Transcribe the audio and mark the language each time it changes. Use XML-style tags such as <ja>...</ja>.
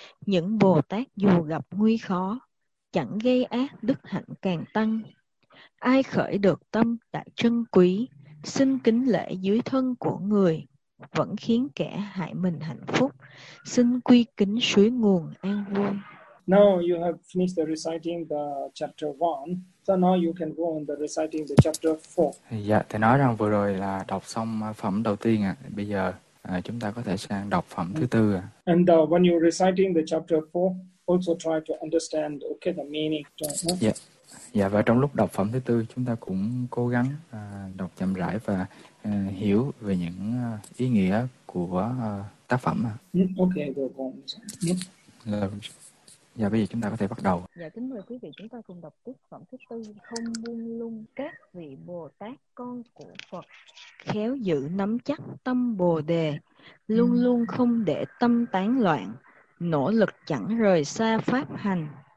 <vi>Những Bồ Tát dù gặp nguy khó, chẳng gây ác đức hạnh càng tăng. Ai khởi được tâm đại trân quý, xin kính lễ dưới thân của người, vẫn khiến kẻ hại mình hạnh phúc, xin quy kính suối nguồn an vui.</vi> <en>Now you have finished the reciting the chapter 1. So now you can go on the reciting the chapter 4.</en> <vi>Dạ, thầy nói rằng vừa rồi là đọc xong phẩm đầu tiên ạ. Bây giờ chúng ta có thể sang đọc phẩm thứ tư ạ.</vi> <en>And when you're reciting the chapter 4, also try to understand okay the meaning.</en> <vi>Dạ. Dạ, và trong lúc đọc phẩm thứ tư, chúng ta cũng cố gắng đọc chậm rãi và hiểu về những ý nghĩa của tác phẩm.</vi> <en>Okay, good.</en> <vi>Dạ, bây giờ chúng ta có thể bắt đầu. Dạ, kính mời quý vị chúng ta cùng đọc tiếp phẩm thứ tư. Không buông lung các vị Bồ Tát con của Phật, khéo giữ nắm chắc tâm Bồ Đề, luôn luôn không để tâm tán loạn, nỗ lực chẳng rời xa pháp hành.</vi>